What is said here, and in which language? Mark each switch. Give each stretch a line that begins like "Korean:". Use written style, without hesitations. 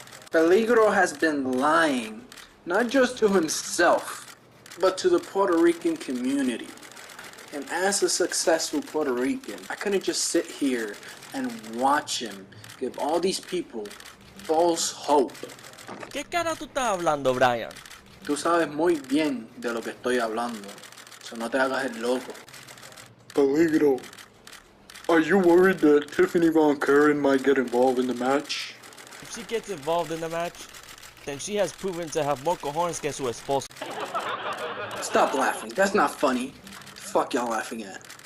English: Peligro has been lying, not just to himself, but to the Puerto Rican community. And as a successful Puerto Rican, I couldn't just sit here and watch him give all these people false hope.
Spanish: ¿Qué cara tú estás hablando, Brian? Tú sabes muy bien de lo que estoy hablando, so no te hagas el loco.
English: Peligro, are you worried that Tiffany Von Curren might get involved in the match? If she gets involved in the match, then she has proven to have more
Spanish: cojones que su esposo.
English: Stop laughing, that's not funny. The fuck y'all laughing at?